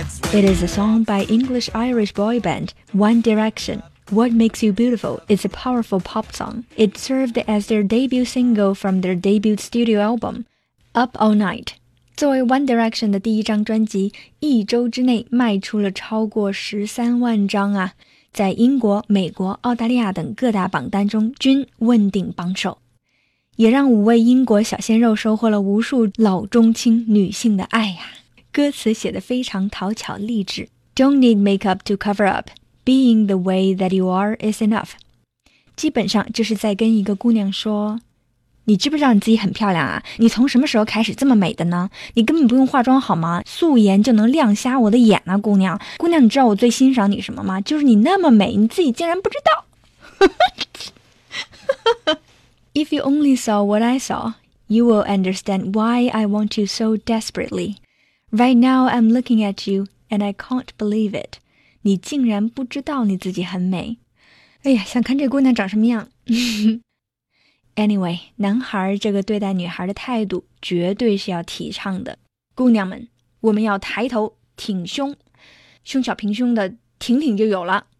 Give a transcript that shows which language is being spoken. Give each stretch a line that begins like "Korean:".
English: It is a song by English-Irish boy band One Direction. What Makes You Beautiful is a powerful pop song. It served as their debut single from their debut studio album Up All Night.
Chinese: 作为 One Direction 的第一张专辑，一周之内卖出了超过13万张啊，在英国、美国、澳大利亚等各大榜单中均问鼎榜首，也让五位英国小鲜肉收获了无数老中青女性的爱啊。歌词写得非常讨巧励志 ，
English: Don't need makeup to cover up, being the way that you are is enough，
Chinese: 基本上就是在跟一个姑娘说。你知不知道你自己很漂亮啊？你从什么时候开始这么美的呢？你根本不用化妆好吗？素颜就能亮瞎我的眼啊，姑娘。姑娘，你知道我最欣赏你什么吗？就是你那么美，你自己竟然不知道。
English: If you only saw what I saw, you will understand why I want you so desperately. Right now I'm looking at you and I can't believe it.
Chinese: 你竟然不知道你自己很美。哎呀，想看这姑娘长什么样。 Anyway, 男孩这个对待女孩的态度绝对是要提倡的。姑娘们，我们要抬头挺胸，胸小平胸的挺挺就有了。